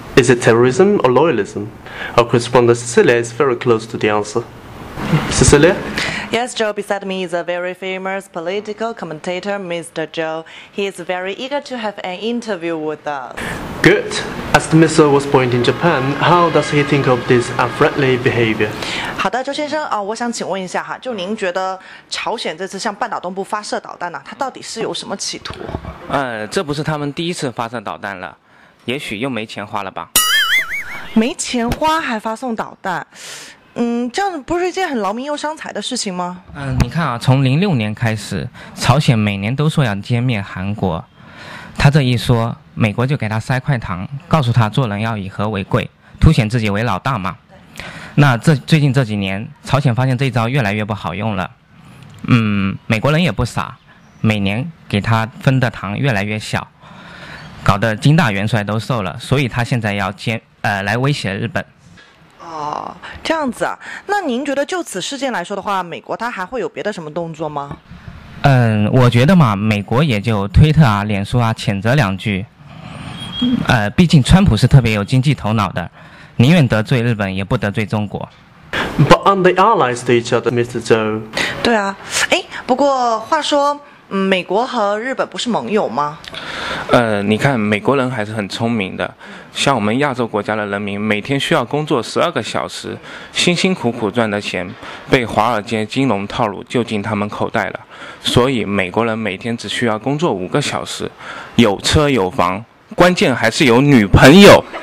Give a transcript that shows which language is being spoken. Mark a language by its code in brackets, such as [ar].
[en] Is it terrorism or loyalism? Our correspondent Cecilia is very close to the answer. Cecilia? Yes, Joe, beside me is a very famous political commentator, Mr. Joe. He is very eager to have an interview with us. Good. As the missile was pointed in Japan, how does he think of this unfriendly behavior? [zh] 好的，周先生，我想请问一下哈，就您觉得朝鲜这次向半岛东部发射导弹呢，它到底是有什么企图？这不是他们第一次发射导弹了，也许又没钱花了吧？没钱花还发送导弹？这样不是一件很劳民又伤财的事情吗？你看啊，从2006年开始，朝鲜每年都说要歼灭韩国，他这一说，美国就给他塞块糖，告诉他做人要以和为贵，凸显自己为老大嘛。那最近这几年，朝鲜发现这一招越来越不好用了，美国人也不傻，每年给他分的糖越来越小，搞得金大元帅都瘦了，所以他现在要来威胁日本。这样子啊，那您觉得就此事件来说的话，美国它还会有别的什么动作吗？我觉得嘛，美国也就推特啊、脸书啊谴责两句。毕竟川普是特别有经济头脑的，宁愿得罪日本也不得罪中国。 [en] But on the allies to each other, Mr. Zhou. [zh] 对啊，不过话说，美国和日本不是盟友吗？你看美国人还是很聪明的，像我们亚洲国家的人民每天需要工作12个小时，辛辛苦苦赚的钱被华尔街金融套路就进他们口袋了，所以美国人每天只需要工作5个小时，有车有房，关键还是有女朋友。